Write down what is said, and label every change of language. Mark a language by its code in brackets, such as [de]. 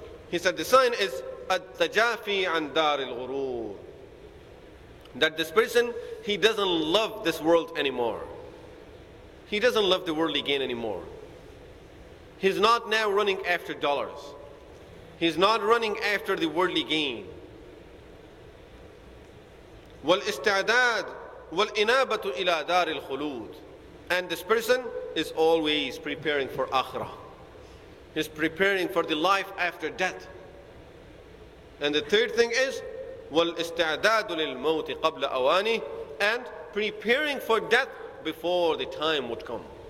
[en] He said, the sign is [ar] التجافي عن دار الغرور. [en] That this person, he doesn't love this world anymore. He doesn't love the worldly gain anymore. He's not now running after dollars. He's not running after the worldly gain. [ar] والاستعداد والإنابة إلى دار الخلود. [en] And this person is always preparing for akhirah. He's preparing for the life after death. And the third thing is, [ar] وَالْإِسْتَعْدَادُ لِلْمَوْتِ قَبْلَ أَوَانِهِ, [en] and preparing for death before the time would come.